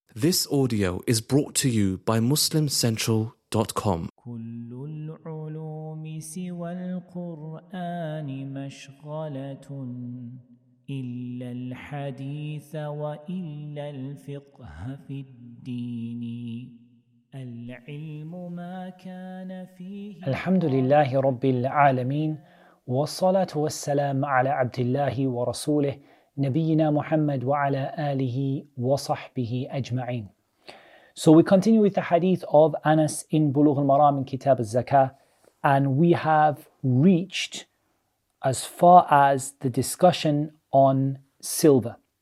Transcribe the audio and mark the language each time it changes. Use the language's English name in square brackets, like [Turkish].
[English] This audio is brought to you by MuslimCentral.com. [Arabic] كل العلوم سوى القرآن مشغلة إلا الحديث وإلا الفقه في الدين العلم ما كان فيه. الحمد لله رب العالمين والصلاة والسلام على عبد الله ورسوله نبينا محمد وعلى آله وصحبه أجمعين. [English] So we continue with the hadith of Anas in Bulugh al-Maram in Kitab al-Zakah, and we have reached as far as the discussion on silver.